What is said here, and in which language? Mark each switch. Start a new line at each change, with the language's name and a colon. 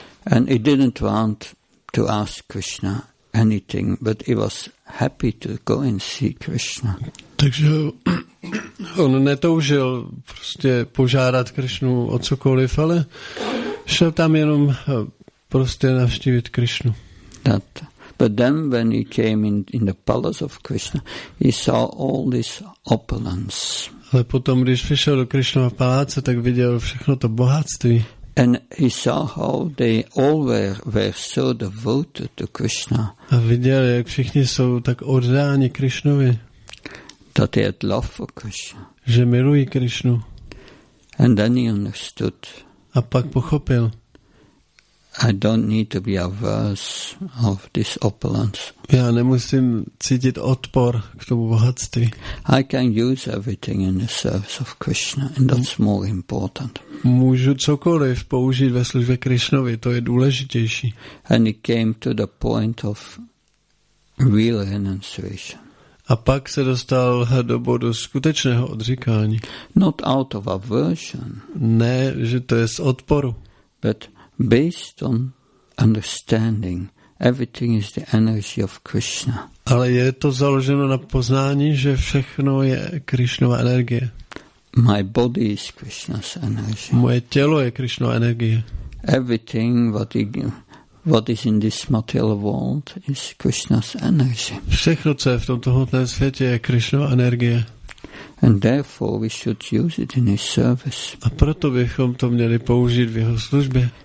English: And he didn't want to ask Krishna anything, but he was happy to go and see Krishna.
Czech: Takže on netoužil prostě požádat Krishnu o cokoliv, ale šel tam jenom prostě navštívit Krishnu.
English: That. But then when he came in the palace of Krishna, he saw all this opulence.
Czech: Ale potom, když přišel do Krišnova paláce, tak viděl všechno to bohatství.
English: And he saw how they all were so devoted to Krishna.
Czech: A viděl, jak všichni jsou tak oddáni Krišnovi.
English: That they had love for Krishna.
Czech: Že milují Krišnu.
English: And then he understood.
Czech: A pak pochopil.
English: I don't need to be averse of this opulence.
Czech: Já nemusím cítit odpor k tomu bohatství.
English: I can use everything in the service of Krishna, and that's more important.
Czech: Můžu cokoliv použít ve službě Krišnovi, to je důležitější.
English: And it came to the point of real renunciation.
Czech: A pak se dostal do bodu skutečného odříkání.
English: Not out of aversion.
Czech: Ne, že to je z odporu.
English: But based on understanding, everything is the energy of Krishna.
Czech: Ale je to založeno na poznání, že všechno je Krišnova energie.
English: My body is Krishna's energy.
Czech: Moje tělo je Krišnova energie.
English: Everything what is in this material world is Krishna's energy.
Czech: Všechno, co je v tomto hmotném světě, je Krišnova energie.
English: And therefore we should use it in his service.
Czech: A proto bychom to měli použít v jeho službě.